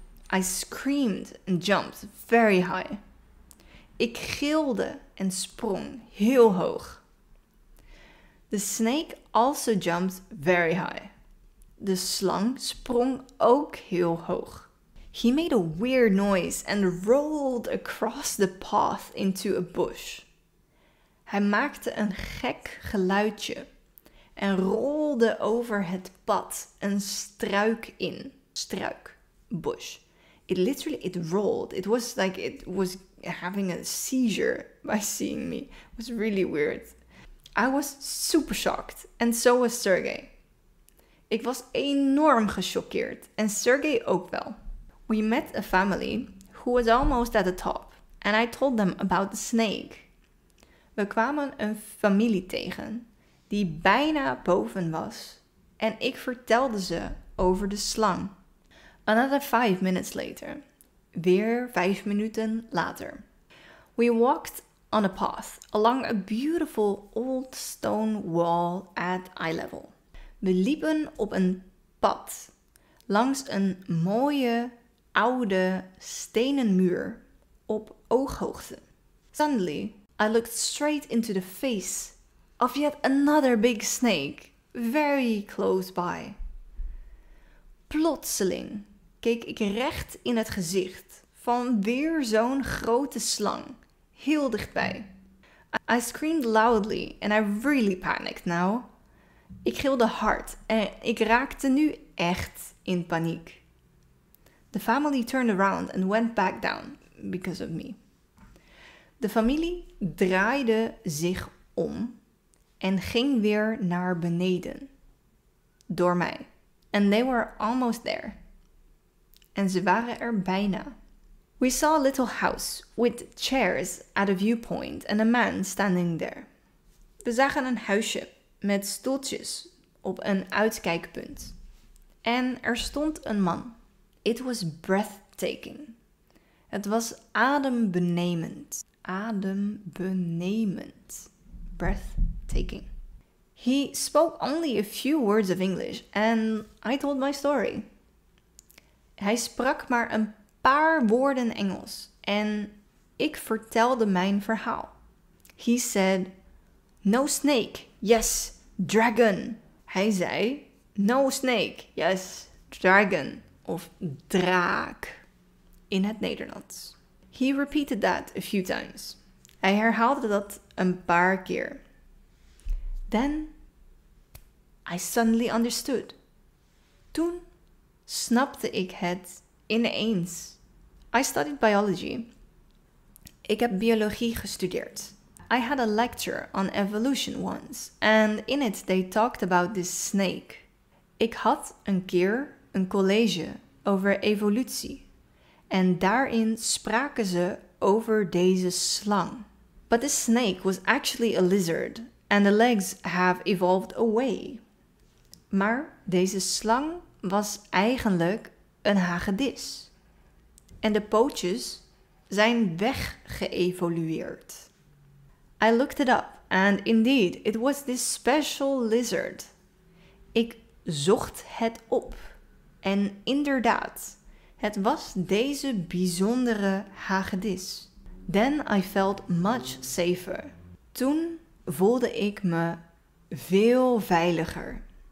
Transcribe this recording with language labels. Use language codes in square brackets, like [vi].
[en] I screamed and jumped very high. [nl] Ik gilde en sprong heel hoog. [en] The snake also jumped very high. [nl] De slang sprong ook heel hoog. [en] He made a weird noise and rolled across the path into a bush. [nl] Hij maakte een gek geluidje en rolde over het pad een struik in. Struik. [en] Bush. It rolled. It was like it was having a seizure by seeing me. It was really weird. I was super shocked. And so was Sergey. [nl] Ik was enorm gechoqueerd. En Sergey ook wel. [en] We met a family who was almost at the top. And I told them about the snake. [nl] We kwamen een familie tegen die bijna boven was. En ik vertelde ze over de slang. [en] Another 5 minutes later. [nl] Weer 5 minuten later. [en] We walked on a path along a beautiful old stone wall at eye level. [nl] We liepen op een pad langs een mooie oude stenen muur op ooghoogte. [en] Suddenly, I looked straight into the face of yet another big snake very close by. [nl] Plotseling keek ik recht in het gezicht van weer zo'n grote slang, heel dichtbij. [en] I screamed loudly and I really panicked now. [nl] Ik gilde hard en ik raakte nu echt in paniek. [en] The family turned around and went back down because of me. [nl] De familie draaide zich om en ging weer naar beneden door mij. [en] And they were almost there. [nl] En ze waren er bijna. [en] We saw a little house with chairs at a viewpoint and a man standing there. [nl] We zagen een huisje met stoeltjes op een uitkijkpunt. En er stond een man. [en] It was breathtaking. [nl] Het was adembenemend. Adembenemend. [en] Breathtaking. He spoke only a few words of English and I told my story. [nl] Hij sprak maar een paar woorden Engels en ik vertelde mijn verhaal. [en] He said, no snake, yes, dragon. [nl] Hij zei, [en] no snake. Yes, dragon. [nl] Of draak. In het Nederlands. [en] He repeated that a few times. [nl] Hij herhaalde dat een paar keer. [en] Then, I suddenly understood. [nl] Toen snapte ik het ineens. [en] I studied biology. [nl] Ik heb biologie gestudeerd. [en] I had a lecture on evolution once, and in it they talked about this snake. [nl] Ik had een keer een college over evolutie, en daarin spraken ze over deze slang. [en] But the snake was actually a lizard, and the legs have evolved away. [nl] Maar deze slang was eigenlijk een hagedis. En de pootjes zijn weggeëvolueerd. [en] I looked it up, and indeed, it was this special lizard. [nl] Ik zocht het op. En inderdaad, het was deze bijzondere hagedis. [en] Then I felt much safer. [nl] Toen voelde ik me veel veiliger.